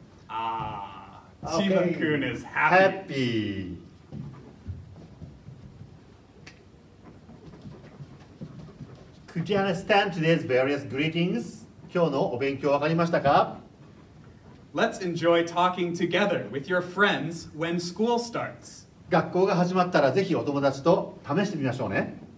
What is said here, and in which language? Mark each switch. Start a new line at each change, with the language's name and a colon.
English: Chiba-kun is happy. Happy. Could you understand today's various greetings?
Japanese: 今日のお勉強わかりましたか?
English: Let's enjoy talking together with your friends when school starts.
Japanese: 学校が始まったらぜひお友達と試してみましょうね。